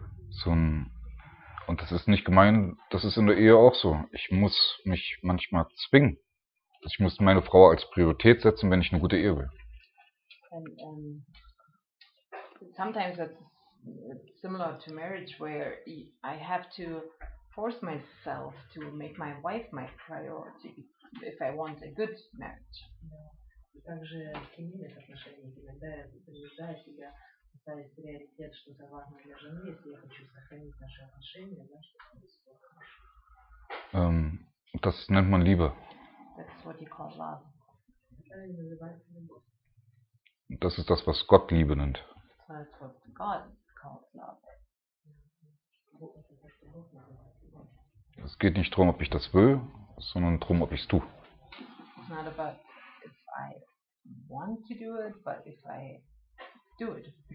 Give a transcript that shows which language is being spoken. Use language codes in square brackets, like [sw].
[de] So ein, und das ist nicht gemein, das ist in der Ehe auch so. Ich muss mich manchmal zwingen. Ich muss meine Frau als Priorität setzen, wenn ich eine gute Ehe will. [en] Sometimes it's similar to marriage, where I have to force myself to make my wife my priority if I want a good marriage. [ru] Также в семейных отношениях иногда я принуждаю себя поставить приоритет, что-то важное для жены, если я хочу сохранить наши отношения, да, чтобы все было хорошо. [de] Das nennt man Liebe. [en] That's what you call love. [de] Das ist das, was Gott Liebe nennt. [en] That's what God calls love. [de] Es geht nicht darum, ob ich das will, sondern darum, ob ich es tue. [en] It's not about if I want to do it, but if I do it.